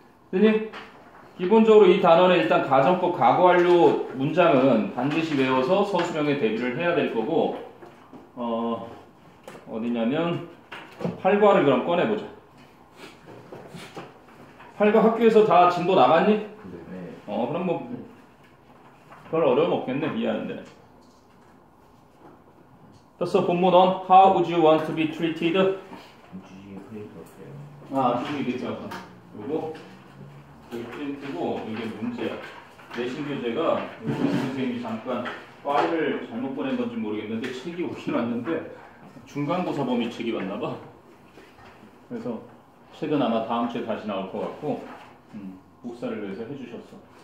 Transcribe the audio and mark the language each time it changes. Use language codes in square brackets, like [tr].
[ko] 선생님, 기본적으로 이 단어는 일단 가정법 과거 완료 문장은 반드시 외워서 서술형에 대비를 해야 될 거고, 어디냐면 8과를 그럼 꺼내보자. 8과 학교에서 다 진도 나갔니? 네. 그럼 뭐 별 어려움 없겠네. 이해하는데. 그래서 본문은 [en] How would you want to be treated? [ko] 주지의 회의가 없어요. 그리고 이게 프린트고 이게 문제야. 내신 교재가 선생님이 잠깐 파일을 잘못 보낸 건지 모르겠는데 책이 오긴 왔는데 중간고사 범위 책이 왔나 봐. 그래서 책은 아마 다음 주에 다시 나올 것 같고 복사를 위해서 해주셨어.